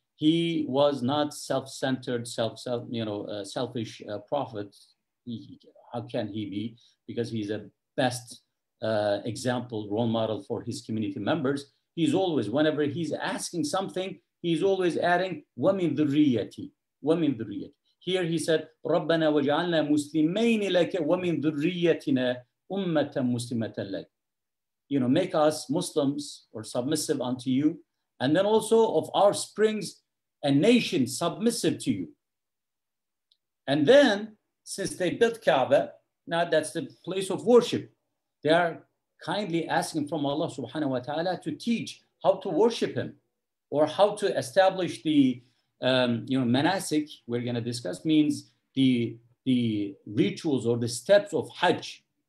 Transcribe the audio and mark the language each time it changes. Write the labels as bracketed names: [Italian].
[English] he was not self-centered, selfish prophet. How can he be? Because he's a best example, role model for his community members. He's always, whenever he's asking something, he's always adding وَمِن ذُرِّيَّتِي وَمِن ذُرِّيَّتِي. [Arabic] Here he said, رَبَّنَا وَجَعَلْنَا مُسْلِمَيْنِ لَكَ وَمِن ذُرِّيَّتِنَا أُمَّةً مُسْلِمَةً لَكَ. [English] You know, make us Muslims or submissive unto you. And then also of our springs, a nation submissive to you. And then, since they built Kaaba, now that's the place of worship, they are kindly asking from Allah subhanahu wa ta'ala to teach how to worship him, or how to establish the manasik, we're going to discuss, means the rituals or the steps of Hajj.